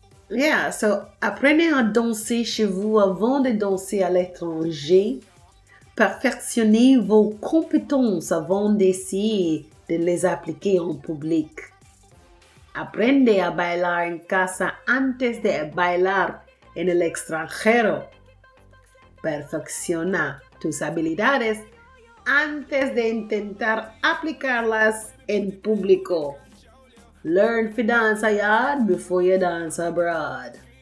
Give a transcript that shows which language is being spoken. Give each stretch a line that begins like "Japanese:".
English: Yeah, so
French: apprenez à danser chez vous avant de danser à l'étranger. Perfectionnez vos compétences avant d'essayer de les appliquer en public.
Spanish: Aprende a bailar en casa antes de bailar en el extranjero. Perfecciona tus habilidades antes de intentar aplicarlas en público.
English: Learn to dance a yard before you dance abroad.